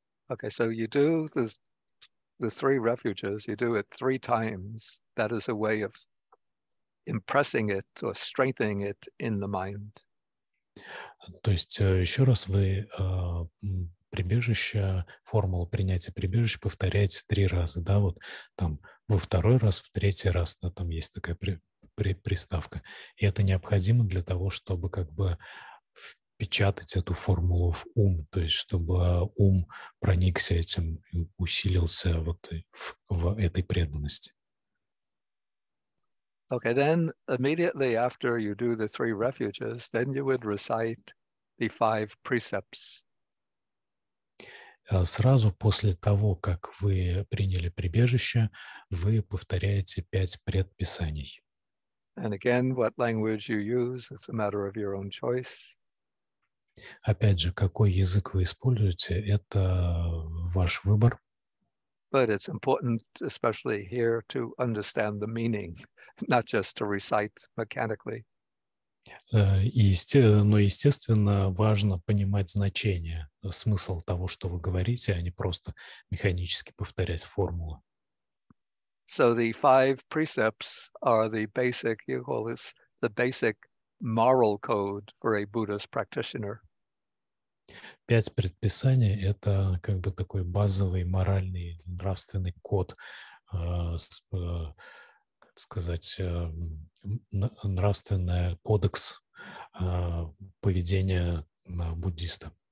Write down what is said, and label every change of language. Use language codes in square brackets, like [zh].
[en] Okay, so you do the three refuges, you do it three times. That is a way of impressing it or strengthening it in the mind. [ru] То есть еще раз вы прибежище, формула принятия прибежища повторяется три раза, да, вот там во второй раз, в третий раз, да, там есть такая приставка. И это необходимо для того, чтобы как бы впечатать эту формулу в ум, то есть чтобы ум проникся этим, усилился вот в этой преданности. [en] Okay, then immediately after you do the three refuges, then you would recite the five precepts. [ru] Сразу после того, как вы приняли прибежище, вы повторяете пять предписаний. [en] And again, what language you use, it's a matter of your own choice. [ru] Опять же, какой язык вы используете, это ваш выбор. [en] But it's important, especially here, to understand the meaning, not just to recite mechanically. [ru] Но, естественно, важно понимать значение, смысл того, что вы говорите, а не просто механически повторять формулы. [en] So the five precepts are the basic, you call this, the basic moral code for a Buddhist practitioner. [ru] Пять предписаний — это как бы такой базовый моральный, нравственный код, нравственный кодекс поведения буддиста.